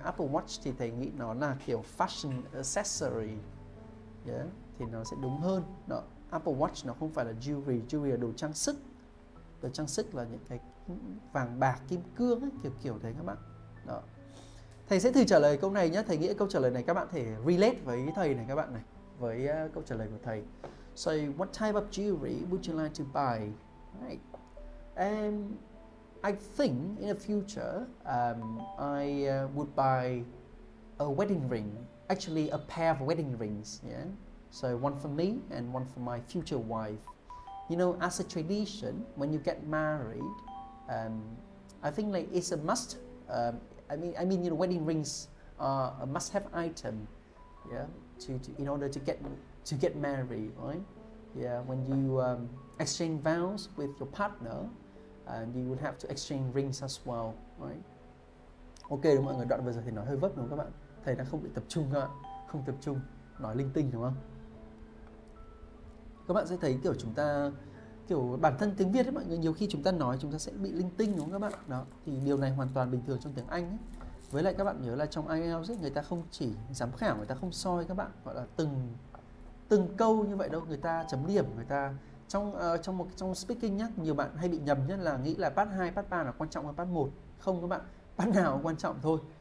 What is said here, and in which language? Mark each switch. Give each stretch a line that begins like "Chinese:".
Vietnamese: Apple Watch thì thầy nghĩ nó là kiểu fashion accessory. Yeah. Thì nó sẽ đúng hơn. Đó. Apple Watch nó không phải là jewelry. Jewelry là đồ trang sức. Đồ trang sức là những cái vàng bạc, kim cương ấy, kiểu kiểu thế các bạn. Đó. Thầy sẽ thử trả lời câu này nhé. Thầy nghĩ câu trả lời này các bạn thể relate với thầy này các bạn này. Với câu trả lời của thầy.
English: So what type of jewelry would you like to buy? Right. I think in the future, I would buy a wedding ring, actually a pair of wedding rings, yeah? So one for me and one for my future wife. You know, as a tradition, when you get married, I think like it's a must. I mean, you know, wedding rings are a must-have item, yeah, in order to get married, right? Yeah, when you exchange vows with your partner, and you would have to exchange rings as well, right?
Vietnamese: Ok, đúng mọi người, đoạn vừa rồi thầy nói hơi vấp đúng không các bạn? Thầy đang không bị tập trung các bạn, không tập trung, nói linh tinh đúng không? Các bạn sẽ thấy kiểu chúng ta, kiểu bản thân tiếng Việt ấy mọi người, nhiều khi chúng ta nói chúng ta sẽ bị linh tinh đúng không các bạn? Đó, thì điều này hoàn toàn bình thường trong tiếng Anh ấy. Với lại các bạn nhớ là trong IELTS ấy, người ta không chỉ giám khảo, người ta không soi các bạn, gọi là từng câu như vậy đâu, người ta chấm điểm, người ta trong speaking nhá, nhiều bạn hay bị nhầm nhất là nghĩ là part 2, part 3 là quan trọng hơn part 1. Không các bạn, part nào cũng quan trọng thôi.